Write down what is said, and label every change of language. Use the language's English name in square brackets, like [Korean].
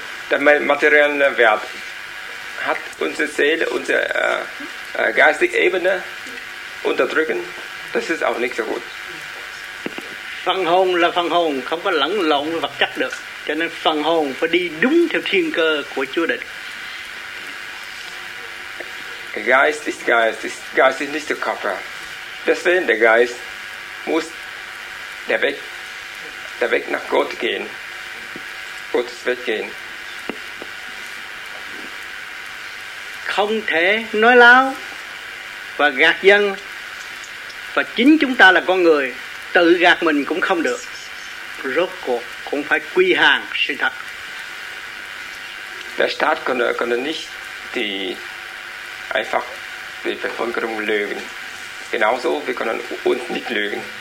[German] Der materielle Wert hat unsere Seele, unsere geistige Ebene unterdrücken. Das ist auch nicht so gut. [Vietnamese] Phần hồn là phần hồn, không có lẫn lộn với vật chất được. Cho nên phần hồn phải đi đúng theo thiên cơ của Chúa định. [German] Geist ist Geist, Geist ist nicht der Körper. Deswegen der Geist muss der Weg nach Gott gehen. Gottes Weg gehen. [Vietnamese] Không thể nói láo và gạt dân, và chính chúng ta là con người tự gạt mình cũng không được, rốt cuộc cũng phải quy hàng sự thật. [German] Der Staat konnte nicht die einfach die Bevölkerung lügen, genauso wir können uns nicht lügen.